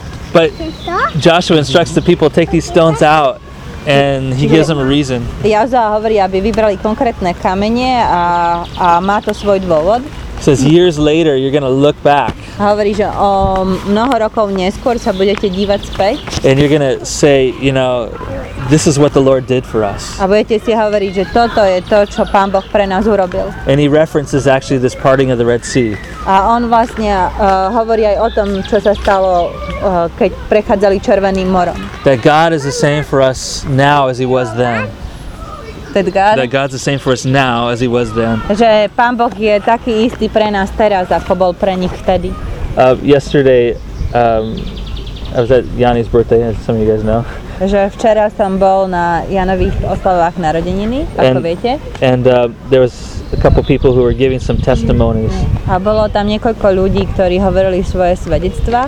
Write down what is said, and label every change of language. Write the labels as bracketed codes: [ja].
[en] But Joshua instructs the people, take these stones out, and he gives them a reason. [sk] Joshua hovorí, aby vybrali konkrétne kamene a má to svoj dôvod. [en] Says years later you're going to look back. [sk] Hovorí, že o mnoho rokov neskôr sa budete dívať späť. [en] And you're going to say, you know, this is what the Lord did for us. [sk] A budete si hovoriť, že toto je to, čo Pán Boh pre nás urobil. [en] And he references actually this parting of the Red Sea. [sk] A on vlastne hovorí aj o tom, čo sa stalo, keď prechádzali Červeným morom. [en] That God is the same for us now as he was then. That God's the same for us now as he was then. [sk] Že Pán Boh je taký istý pre nás teraz, ako bol pre nich vtedy. [en] Yesterday, I was at Jani's birthday, as some of you guys know. [sk] Že včera som bol na Janových oslavách narodeniny, ako viete. [en] And there was a couple people who were giving some testimonies. [sk] A bolo tam niekoľko ľudí, ktorí hovorili svoje svedectvá.